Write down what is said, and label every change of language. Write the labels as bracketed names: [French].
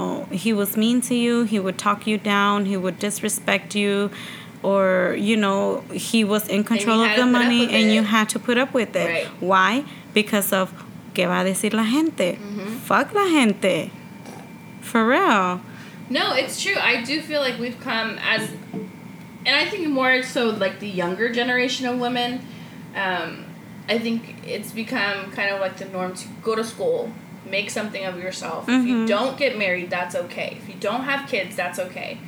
[English] He was mean to you. He would talk you down. He would disrespect you. Or, you know, he was in control of the money and you had to put up with it. Right. Why? Because of, [Spanish] ¿qué va a decir la gente? [English] Mm-hmm. Fuck [Spanish] la gente. [English] For real. No, it's true. I do feel like we've come as, and I think more so like the younger generation of women, I think it's become kind of like the norm to go to school, make something of yourself. Mm-hmm. If you don't get married, that's okay. If you don't have kids, that's okay.